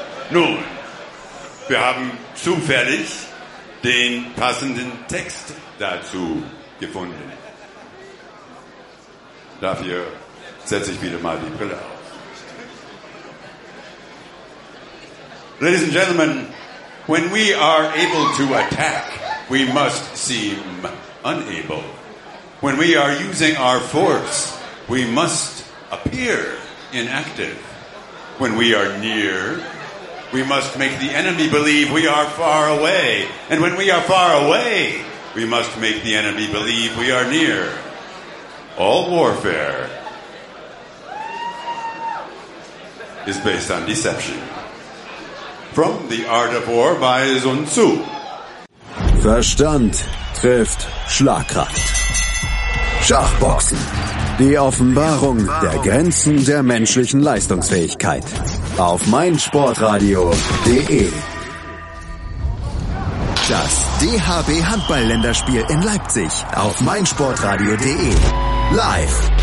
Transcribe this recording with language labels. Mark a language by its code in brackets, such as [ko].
[de] Nun, wir haben zufällig den passenden Text dazu gefunden. Dafür setze ich wieder mal die Brille auf. [en] Ladies and gentlemen, when we are able to attack, we must seem unable. When we are using our force, we must appear inactive. When we are near, we must make the enemy believe we are far away. And when we are far away, we must make the enemy believe we are near. All warfare is based on deception. From the Art of War by Sun Tzu. [de] Verstand trifft Schlagkraft. Schachboxen. Die Offenbarung der Grenzen der menschlichen Leistungsfähigkeit. Auf meinsportradio.de. Das DHB-Handball-Länderspiel in Leipzig. Auf meinsportradio.de. Live.